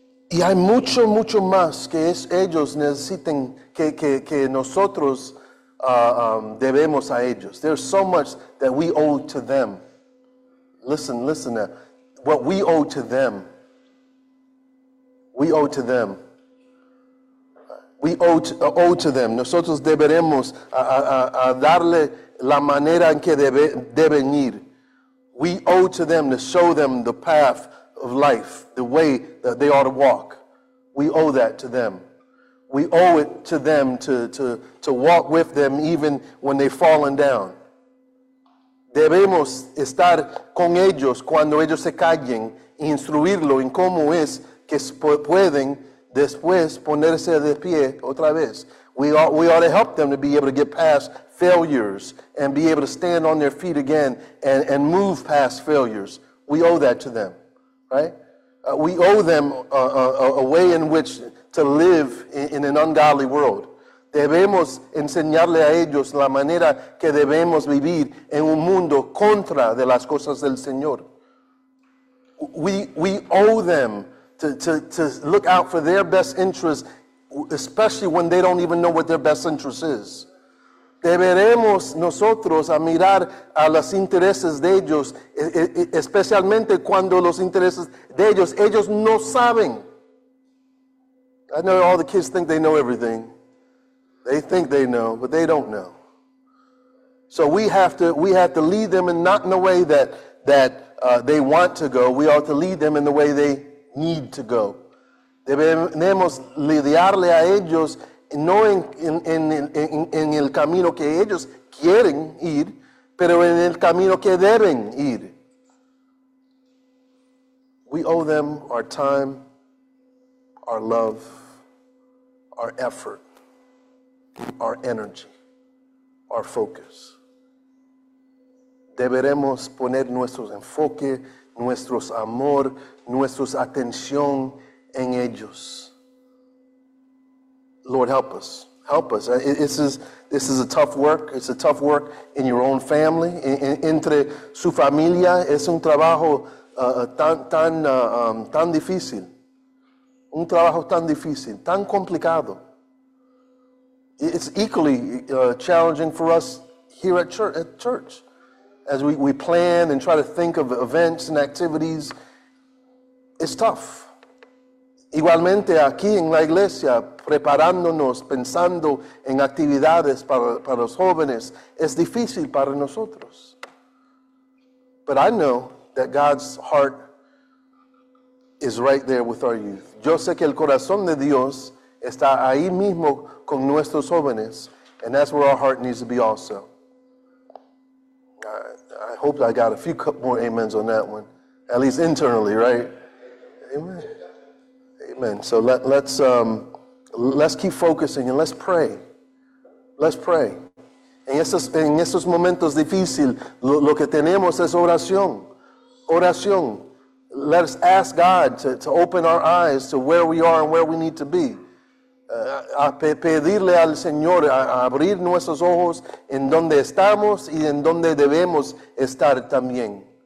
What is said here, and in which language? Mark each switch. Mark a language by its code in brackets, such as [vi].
[es] Y hay mucho, mucho más que ellos necesiten que nosotros debemos a ellos. [en] There's so much that we owe to them. Listen now. What we owe to them. We owe to them. We owe to them. [es] Nosotros deberemos a darle la manera en que deben ir. [en] We owe to them to show them the path of life, the way that they ought to walk. We owe that to them. We owe it to them to walk with them even when they've fallen down. [es] Debemos estar con ellos cuando ellos se caigan, instruirlo en cómo es que pueden después ponerse de pie otra vez. [en] We ought to help them to be able to get past failures and be able to stand on their feet again and move past failures. We owe that to them, right? We owe them a way in which to live in an ungodly world. [es] Debemos enseñarle a ellos la manera que debemos vivir en un mundo contra de las cosas del Señor. [en] We owe them to look out for their best interest, especially when they don't even know what their best interest is. [es] Deberemos nosotros a mirar a los intereses de ellos, especialmente cuando los intereses de ellos no saben. [en] I know all the kids think they know everything. They think they know, but they don't know. So we have to lead them in not in the way that they want to go. We ought to lead them in the way they need to go. [es] Debemos lidiarle a ellos no en el camino que ellos quieren ir, pero en el camino que deben ir. [en] We owe them our time, our love, our effort, our energy, our focus. [es] Deberemos poner nuestro enfoque, nuestro amor, nuestra atención en ellos. [en] Lord, help us. Help us. This is a tough work. It's a tough work in your own family, [es] entre su familia. Es un trabajo tan difícil. Un trabajo tan difícil, tan complicado. [en] It's equally challenging for us here at church, as we plan and try to think of events and activities. It's tough. [es] Igualmente aquí en la iglesia, preparándonos, pensando en actividades para los jóvenes, es difícil para nosotros. [en] But I know that God's heart is right there with our youth. [es] Yo sé que el corazón de Dios está ahí mismo con nuestros jóvenes, [en] and that's where our heart needs to be also. I hope I got a few more amens on that one, at least internally, right? Amen. Amen. So let's keep focusing and let's pray. Let's pray. [es] En esos momentos difíciles, lo que tenemos es oración. Oración. [en] Let's ask God to open our eyes to where we are and where we need to be. [es] Pedirle al Señor a abrir nuestros ojos en donde estamos y en donde debemos estar también.